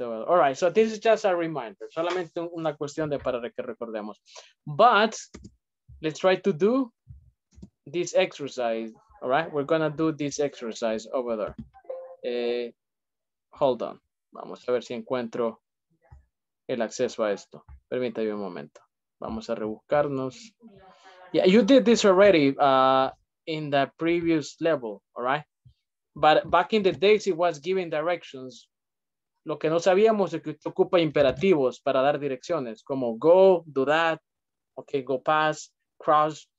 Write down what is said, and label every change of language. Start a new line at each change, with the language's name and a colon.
English: All right, so this is just a reminder.
Spanish: Solamente una cuestión de para que recordemos.
English: But let's try to do this exercise. All right, we're going to do this exercise over there. Hold on.
Spanish: Vamos a ver si encuentro el acceso a esto. Permítame un momento. Vamos a rebuscarnos.
English: Yeah, you did this already in the previous level. All right. But back in the days, it was giving directions.
Spanish: Lo que no sabíamos es que usted ocupa imperativos para dar direcciones, como
English: go, do that, okay, go past, cross.